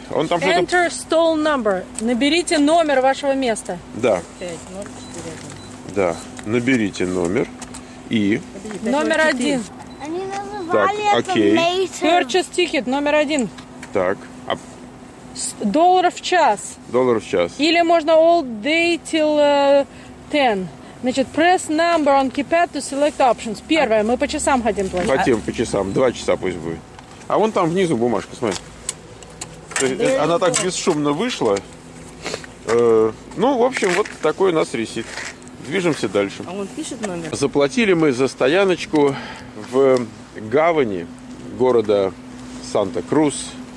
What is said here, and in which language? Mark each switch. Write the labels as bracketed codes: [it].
[ru] Он там что-то... [en] Enter stall number. [ru] Наберите номер вашего места. Да. 5, 0, 4, 1. Да, наберите номер. И... Номер один. Так, окей. [en] Purchase ticket, [ru] номер один. Так. А... Доллар в час. Доллар в час. Или можно [en] all day till 10. [ru] Значит, [en] press number on keypad to select options. [ru] Первое, мы по часам хотим платить. Хотим по часам, 2 часа пусть будет. А вон там внизу бумажка, смотри. Она так бесшумно вышла. Ну, в общем, вот такой у нас ресит. Движемся дальше. А он пишет номер? Заплатили мы за стояночку в гавани города Санта-Крус.